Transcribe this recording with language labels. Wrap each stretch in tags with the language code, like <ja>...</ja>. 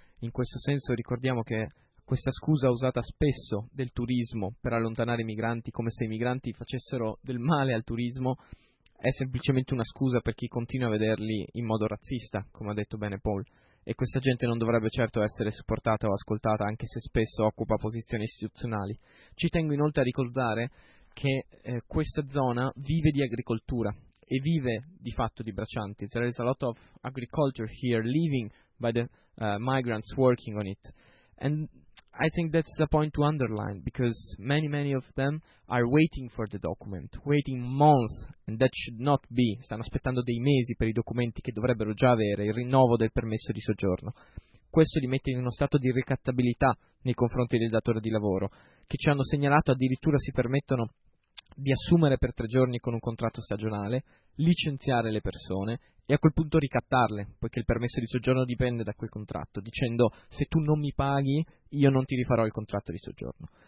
<it>In questo senso ricordiamo che questa scusa usata spesso del turismo per allontanare i migranti, come se i migranti facessero del male al turismo, è semplicemente una scusa per chi continua a vederli in modo razzista, come ha detto bene Paul. E questa gente non dovrebbe certo essere supportata o ascoltata, anche se spesso occupa posizioni istituzionali. Ci tengo inoltre a ricordare che questa zona vive di agricoltura e vive di fatto di braccianti.</it> <en>There is a lot of agriculture here living by the migrants working on it. And I think that's a point to underline, because many, many of them are waiting for the document, waiting months, and that should not be.</en> <it>Stanno aspettando dei mesi per i documenti che dovrebbero già avere, il rinnovo del permesso di soggiorno. Questo li mette in uno stato di ricattabilità nei confronti del datore di lavoro, che ci hanno segnalato addirittura si permettono di assumere per 3 giorni con un contratto stagionale, licenziare le persone e a quel punto ricattarle, poiché il permesso di soggiorno dipende da quel contratto, dicendo se tu non mi paghi io non ti rifarò il contratto di soggiorno.</it>